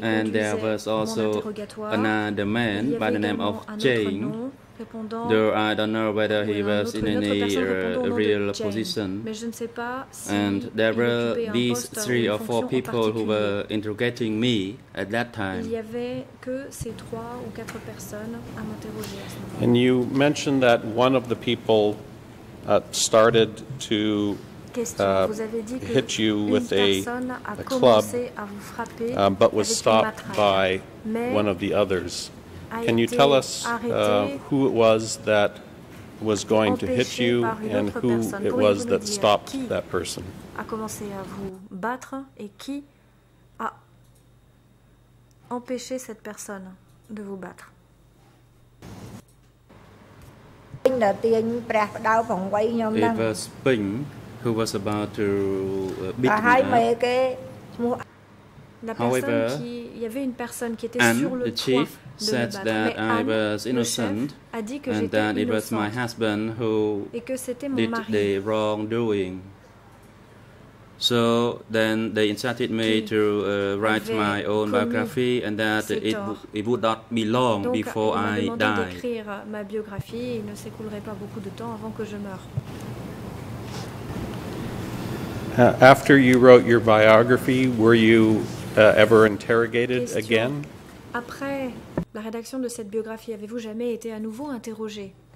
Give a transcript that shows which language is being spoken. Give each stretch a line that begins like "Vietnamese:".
English: and there was also another man by the name of Jane, though I don't know whether he was in any real position.
French: Mais je ne sais pas si
English: and there were these three or four people who were interrogating me at that time.
French: Il y avait que ces trois ou quatre personnes à m'interroger.
English: And you mentioned that one of the people started to hit you with a club, but was stopped by one of the others. Can you tell us who it was that was going to hit you and who it was that stopped that person?
French: A commencé à vous battre et qui a empêché cette personne de vous battre?
English: It was Ping who was about to beat me up.
French: However, qui, y avait une personne qui était sur le toit.
English: said that I was innocent and that it was my husband who did the wrongdoing. So then they incited me to write my own biography and that it would not be long before I die.
French: D'écrire ma biographie, il ne s'écoulerait pas beaucoup de temps avant que je meure.
English: After you wrote your biography, were you ever interrogated again?
French: Après la rédaction de cette biographie, avez-vous jamais été à nouveau interrogé?